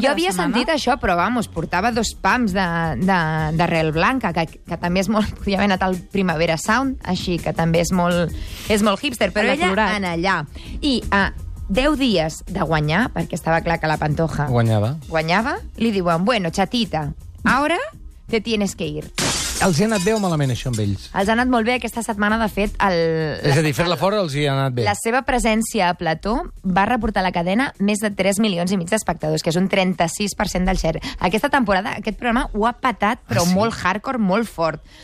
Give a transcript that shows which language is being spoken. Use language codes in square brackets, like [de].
[ca] Jo havia sentit això, però, vamos, portava dos pams d'arrel blanca, que també és molt... Podia haver anat al Primavera Sound, així, que també és molt hipster, però ella en allà. I... 10 dies de guanyar, perquè estava clar que la Pantoja... Guanyava. Li diuen, [es] bueno, chatita, ahora te tienes que ir. [ca] Els hi ha anat bé o malament, això, amb ells? Els ha anat molt bé aquesta setmana, de fet... És a dir, fer-la fora els hi ha anat bé. La seva presència a plató va reportar a la cadena més de 3 milions i mig d'espectadors, que és un 36% del share. Aquesta temporada, aquest programa ho ha patat, però molt hardcore, molt fort.